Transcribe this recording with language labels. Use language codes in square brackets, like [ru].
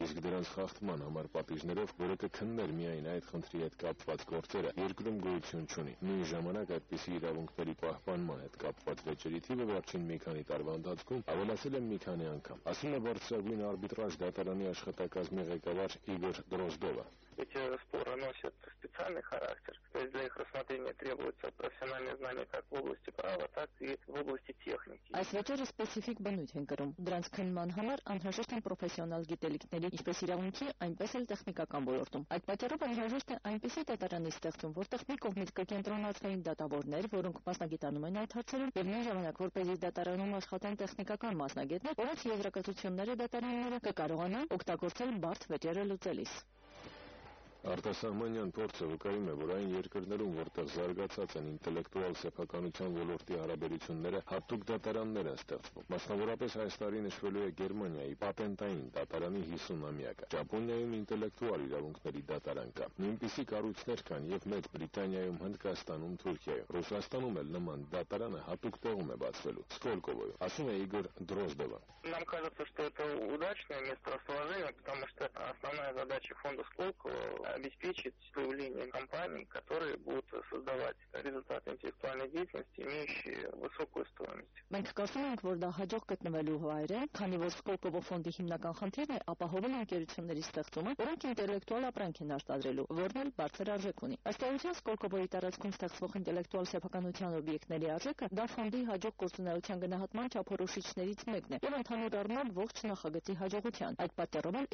[hy] իսկ դրանց խախտման համար պատիժներով, որը կքննի միայն այդ խնդրի հետ կապված գործերը, երկրում գոյություն չունի։ Նույն ժամանակ այդպիսի իրավունքների պահպանման հետ կապված վեճերի թիվը վերջին մի քանի տարվա ընթացքում ավելացել է մի քանի անգամ, ասում է Բարսելոնի արբիտրաժ դատարանի աշխատակազմի ղեկավար Իգոր Դրոզդովը։ [ru] эти споры носят специальный характер. То есть для их рассмотрения требуется профессиональные знания как в области права, так и в области техники. [hy] Ասվաճարը սպեսիֆիկ բնութենգրում, դրանց քննման համար անհրաժեշտ են պրոֆեսիոնալ գիտելիքների, ինչպես իրավունքի, այնպես էլ տեխնիկական ոլորտում։ Այդ պատճառով անհրաժեշտ է այնպիսի դատարանի ստեղծում, որտեղ մի կողմից կկենտրոնացվեն դատավորներ, որոնք մասնագիտանում են այդ հարցերին, և նույն ժամանակ, որպեսզի դատարանում աշխատեն տեխնիկական մասնագետներ, որոնց եզրակացությունները դատարանները կկարողանան օգտագործել բարդ վճարը լուծելիս։ Արտասահմանյան փորձը վկայում է, որ այն երկրներում, որտեղ զարգացած են ինտելեկտուալ սեփականության ոլորտի հարաբերությունները, հատուկ դատարաններ են ստեղծվում։ Մասնավորապես այս տարի նշվելու է Գերմանիայի պատենտային դատարանի 50-ամյակը, Ճապոնիայում ինտելեկտուալ իրավունքների դատարան կա, նույնպիսի կառույցներ կան և Մեծ Բրիտանիայում, Հնդկաստանում, Թուրքիայում, Ռուսաստանում էլ նման դատարանը հատուկ տեղում է բացվելու Սկոլկովոյում, ասում է Իգոր Դրոզդովը։ [ru] Нам кажется, что это удачное место расположения, потому что основная задача фонда Сколково – обеспечить появление компаний, которые будут создавать результаты интеллектуальной деятельности, имеющие высокую стоимость. [hy] Մենք կարծում ենք, որ դա հաջող գտնվելու հայր է, քանի որ Սկոլկովո ֆոնդի հիմնական խնդիրն է ապահովել ընկերությունների ստեղծումը, որոնք ինտելեկտուալ ապրանք են արտադրելու, որն էլ բարձր արժեք ունի։ Ըստ էության, Սկոլկովոյի տարածքում ստեղծվող ինտելեկտուալ սեփականության օբյեկտների արժեքը դա ֆոնդի հաջող գործունեության գնահատման չափորոշիչներից մեկն է և ընդհանուր առմամբ ողջ նախագծի հաջողության։ Այդ պատճառով էլ